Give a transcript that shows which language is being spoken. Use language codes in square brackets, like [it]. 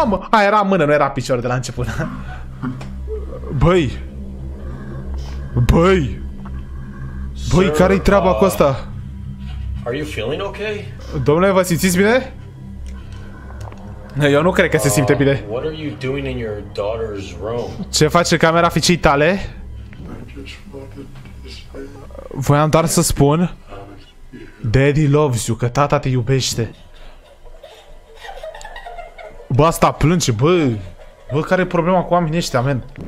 [ro] A, era mână, nu era picior de la început. Băi! Băi, care-i treaba cu asta? [en] Are you feeling okay? [ro] Domnule, vă simțiți bine? Eu nu cred că se simte bine. [en] What are you doing in your daughter's room? [ro] Ce face camera fiicei tale? Voiam doar să spun [en] Daddy loves you, [ro] că tata te iubește. Bă, asta plânge, bă. Bă, care e problema cu oamenii ăștia, man?